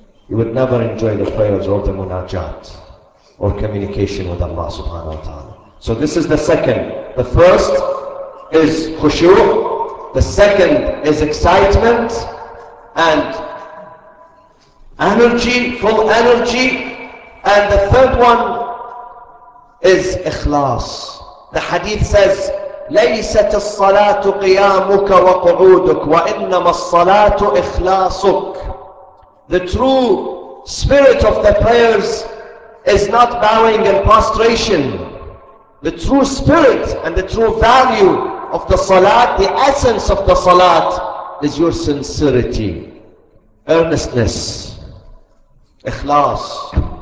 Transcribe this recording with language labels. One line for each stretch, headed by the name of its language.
English: You would never enjoy the prayers or the munajat or communication with Allah subhanahu wa ta'ala. So this is the second. The first is khushu, the second is excitement and energy, full energy. And the third one is ikhlas. The hadith says,
Arabic: ليست الصلاة قيامك وقعودك وإنما الصلاة إخلاصك.
English: The true spirit of the prayers is not bowing and prostration. The true spirit and the true value of the salat, the essence of the salat, is your sincerity, earnestness, ikhlas.